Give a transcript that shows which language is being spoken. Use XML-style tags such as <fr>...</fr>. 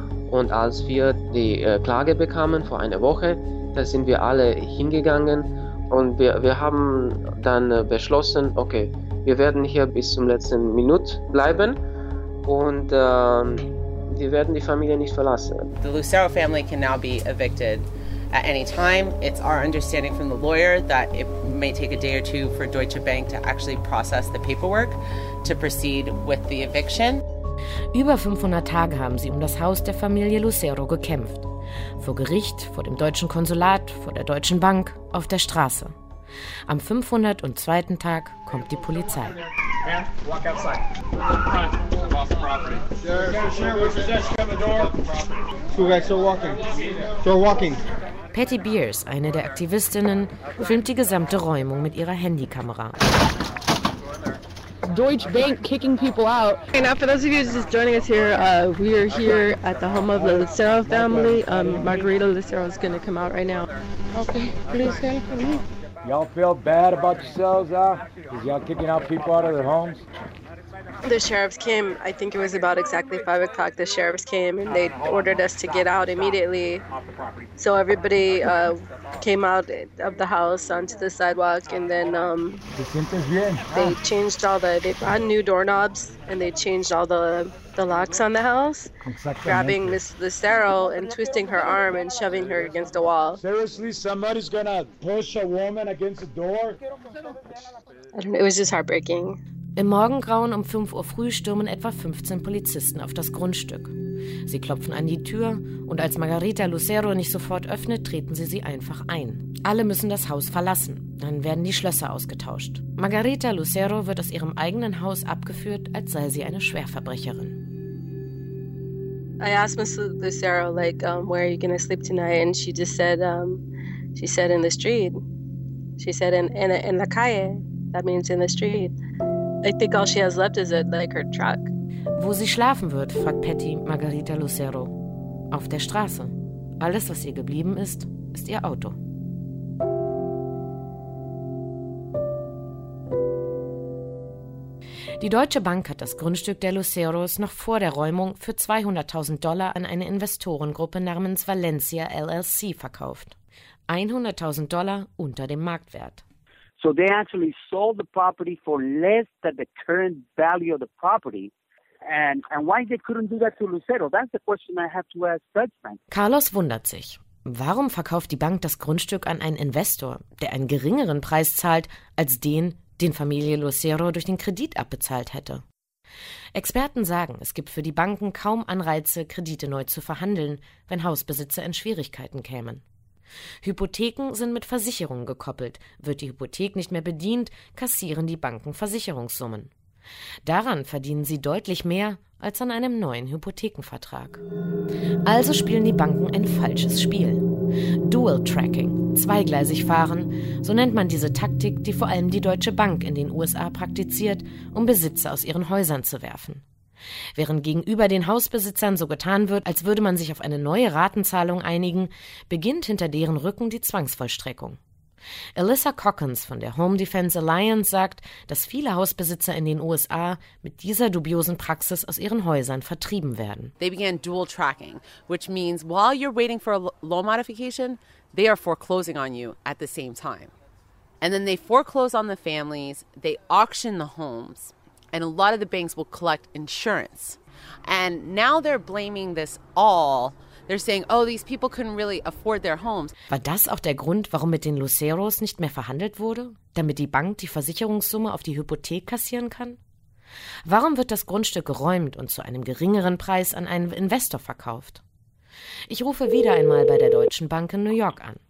<de>Und als wir die Klage bekamen vor einer Woche, da sind wir alle hingegangen und wir haben dann beschlossen, okay, wir werden hier bis zum letzten Minute bleiben und wir werden die Familie nicht verlassen.</de> <en>The Lucero family can now be evicted at any time. It's our understanding from the lawyer that it may take a day or two for Deutsche Bank to actually process the paperwork to proceed with the eviction.</en> <de>Über 500 Tage haben sie um das Haus der Familie Lucero gekämpft. Vor Gericht, vor dem deutschen Konsulat, vor der Deutschen Bank, auf der Straße. Am 502. Tag kommt die Polizei. Patty Beers, eine der Aktivistinnen, filmt die gesamte Räumung mit ihrer Handykamera.</de> <en>Deutsche Bank kicking people out. Okay, now for those of you just joining us here, we are here at the home of the Lucero family. Margarita Lucero is going to come out right now. Okay, please help me. Y'all feel bad about yourselves, is y'all kicking out people out of their homes? The sheriffs came, I think it was about exactly 5 o'clock, the sheriffs came and they ordered us to get out immediately. So everybody came out of the house onto the sidewalk, and then they changed all the, they brought new doorknobs and they changed all the locks on the house, grabbing Miss Lucero and twisting her arm and shoving her against a wall. Seriously, somebody's gonna push a woman against the door? I don't know, it was just heartbreaking.</en> <de>Im Morgengrauen um 5 Uhr früh stürmen etwa 15 Polizisten auf das Grundstück. Sie klopfen an die Tür und als Margarita Lucero nicht sofort öffnet, treten sie sie einfach ein. Alle müssen das Haus verlassen, dann werden die Schlösser ausgetauscht. Margarita Lucero wird aus ihrem eigenen Haus abgeführt, als sei sie eine Schwerverbrecherin.</de> <en>I asked Miss Lucero, like, where are you gonna sleep tonight? And she just said, she said in the street. She said in</en> <es>la calle.</es> <en>That means in the street. I think all she has left is like her truck.</en> <de>Wo sie schlafen wird, fragt Patty Margarita Lucero. Auf der Straße. Alles, was ihr geblieben ist, ist ihr Auto. Die Deutsche Bank hat das Grundstück der Luceros noch vor der Räumung für $200,000 an eine Investorengruppe namens Valencia LLC verkauft. $100,000 unter dem Marktwert.</de> <en>So they actually sold the property for less than the current value of the property. And why they couldn't do that to Lucero? That's the question I have to ask Deutsche Bank.</en> <de>Carlos wundert sich. Warum verkauft die Bank das Grundstück an einen Investor, der einen geringeren Preis zahlt als den, den Familie Lucero durch den Kredit abbezahlt hätte? Experten sagen, es gibt für die Banken kaum Anreize, Kredite neu zu verhandeln, wenn Hausbesitzer in Schwierigkeiten kämen. Hypotheken sind mit Versicherungen gekoppelt. Wird die Hypothek nicht mehr bedient, kassieren die Banken Versicherungssummen. Daran verdienen sie deutlich mehr als an einem neuen Hypothekenvertrag. Also spielen die Banken ein falsches Spiel. Dual Tracking, zweigleisig fahren, so nennt man diese Taktik, die vor allem die Deutsche Bank in den USA praktiziert, um Besitzer aus ihren Häusern zu werfen. Während gegenüber den Hausbesitzern so getan wird, als würde man sich auf eine neue Ratenzahlung einigen, beginnt hinter deren Rücken die Zwangsvollstreckung. Alyssa Cockens von der Home Defense Alliance sagt, dass viele Hausbesitzer in den USA mit dieser dubiosen Praxis aus ihren Häusern vertrieben werden.</de> <en>They began dual tracking, which means while you're waiting for a loan modification, they are foreclosing on you at the same time. And then they foreclose on the families, they auction the homes. And a lot of the banks will collect insurance. And now they're blaming this all. They're saying, oh, these people couldn't really afford their homes.</en> <de>War das auch der Grund, warum mit den Luceros nicht mehr verhandelt wurde? Damit die Bank die Versicherungssumme auf die Hypothek kassieren kann? Warum wird das Grundstück geräumt und zu einem geringeren Preis an einen Investor verkauft? Ich rufe wieder einmal bei der Deutschen Bank in New York an.</de>